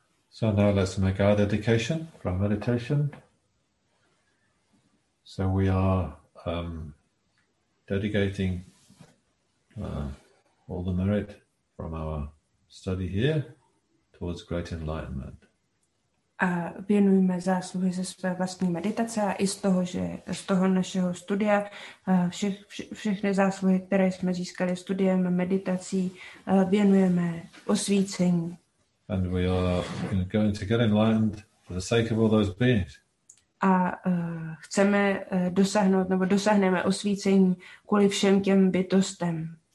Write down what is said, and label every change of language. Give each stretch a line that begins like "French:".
English: So now let's make our dedication for our meditation. So we are dedicating all the merit from our study here towards great enlightenment.
Czech: A věnujeme zásluhy ze své vlastní meditace a i z toho, že z toho našeho studia všechny zásluhy, které jsme získali studiem meditací, věnujeme osvícení.
English: And we are going to get enlightened for the sake of all those beings.
Czech: A chceme dosáhnout nebo dosáhneme osvícení kvůli všem těm bytostem.